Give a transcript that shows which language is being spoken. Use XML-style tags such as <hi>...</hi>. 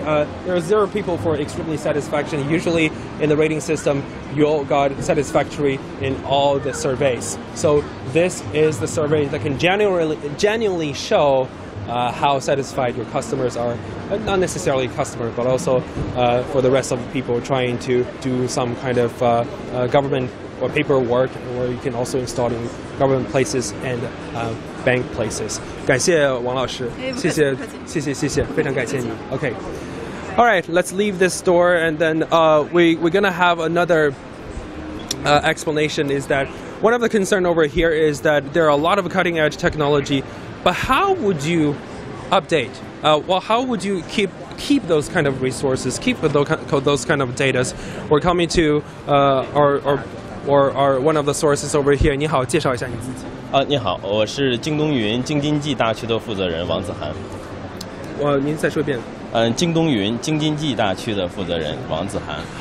<en>There are 0 people for extremely satisfaction. Usually in the rating system, you all got satisfactory in all the surveys. So this is the survey that can genuinely show how satisfied your customers are, not necessarily customer, but also for the rest of the people trying to do some kind of government or paperwork, or you can also install in government places and bank places.</en> <zh>感谢王老师，谢谢，谢谢，谢谢，非常感谢你。</zh> <en>Okay, all right, let's leave this store, and then we're gonna have another explanation. Is that one of the concerns over here is that there are a lot of cutting edge technology, but how would you update? How would you keep those kind of resources, keep those kind of data? We're coming to or one of the sources over here.</en> <zh>你好，介绍一下你自己。你好，我是京东云京津冀大区的负责人王子涵。您再说一遍。京东云京津冀大区的负责人王子涵。</zh>